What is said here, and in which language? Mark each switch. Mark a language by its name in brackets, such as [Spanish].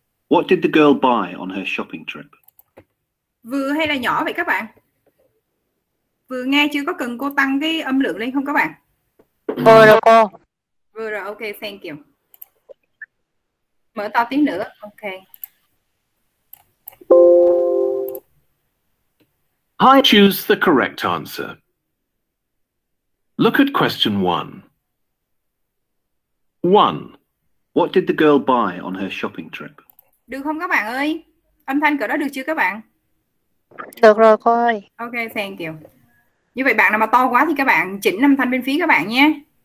[English] What did the girl buy on her shopping trip? [Vietnamese] Vừa hay là nhỏ vậy các bạn? Vừa nghe chưa, có cần cô tăng cái âm lượng lên không các bạn? Vừa rồi cô. Vừa rồi, ok, [English] thank you. [Vietnamese] Mở to tiếng nữa, ok. [English] I choose the correct answer. Look at question one. One. What did the girl buy on her shopping trip? [Vietnamese] Được không các bạn ơi? Âm thanh cỡ đó được chưa các bạn? Được rồi cô ơi. [English] Ok, thank you. [Vietnamese] Như vậy bạn nào mà to quá thì các bạn chỉnh âm thanh bên phía các bạn nhé.